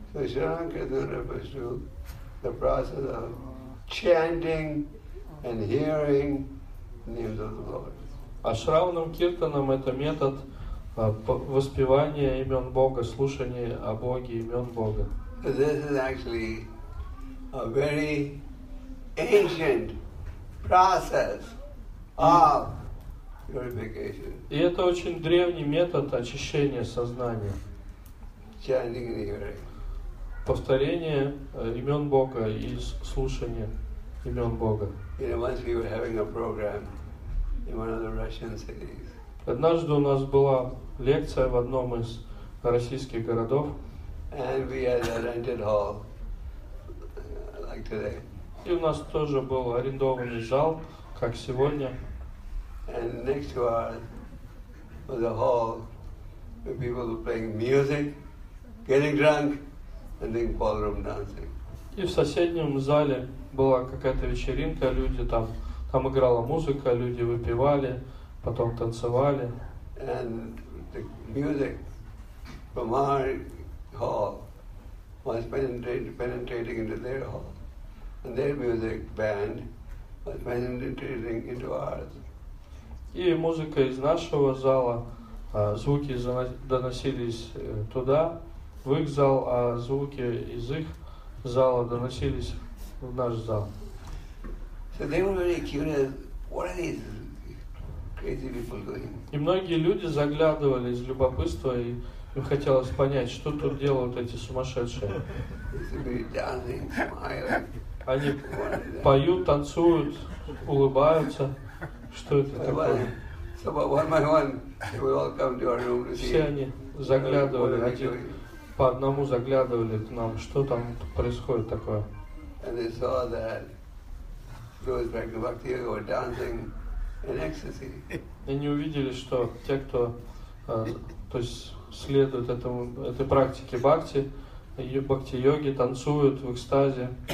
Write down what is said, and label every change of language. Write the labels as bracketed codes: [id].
[en] So Shankaran Rinpoche, the process of chanting and hearing names of the Lord. [ru] А Шраванам Киртанам это метод воспевания имен Бога, слушания о Боге, имен Бога. [en] This is actually a very ancient process of purification. [ru] И это очень древний метод очищения сознания. [en] Chanting and hearing. [ru] Повторение имен Бога и слушание имен Бога. [en] You know, once we were having a program in one of the Russian cities. [ru] Однажды у нас была лекция в одном из российских городов. [en] And we had a rented hall, like today. [ru] И у нас тоже был арендованный зал, как сегодня. [en] And next to ours was a hall where people were playing music, getting drunk, and then ballroom dancing. [ru] И в соседнем зале была какая-то вечеринка, люди там. Там играла музыка, люди выпивали, потом танцевали. [en] And the music from our hall was penetrating into their hall. And their music band was penetrating into ours. [ru] И музыка из нашего зала, звуки доносились туда, в их зал, а звуки из их зала доносились в наш зал. [en] So they were very curious, what are these crazy people doing? [ru] И многие люди заглядывали из любопытства, и им хотелось понять, что тут делают эти сумасшедшие. Они поют, танцуют, улыбаются. Что это такое? [en] So one by one, they would all come to our room to see. [ru] Все они заглядывали, один по одному заглядывали к нам, что там происходит такое. [en] And they saw that. [ru] И они увидели, что те, кто то есть следует этому, этой практике бхакти, бхакти-йоги, танцуют в экстазе.